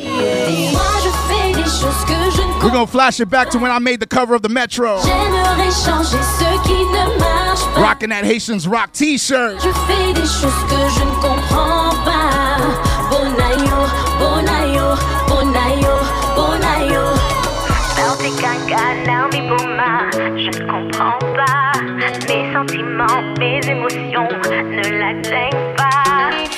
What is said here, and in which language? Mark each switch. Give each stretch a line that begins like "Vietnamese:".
French: Moi je fais des choses que je ne.
English: We're gonna flash it back to when I made the cover of the Metro.
French: J'aimerais changer ce qui ne marche pas.
English: Rocking that Haitians Rock t-shirt.
French: Je fais des choses que je ne comprends pas. Bonayo, bonayo, bonayo, bonayo. Je comprends pas. Mes sentiments, mes émotions ne l'atteignent pas.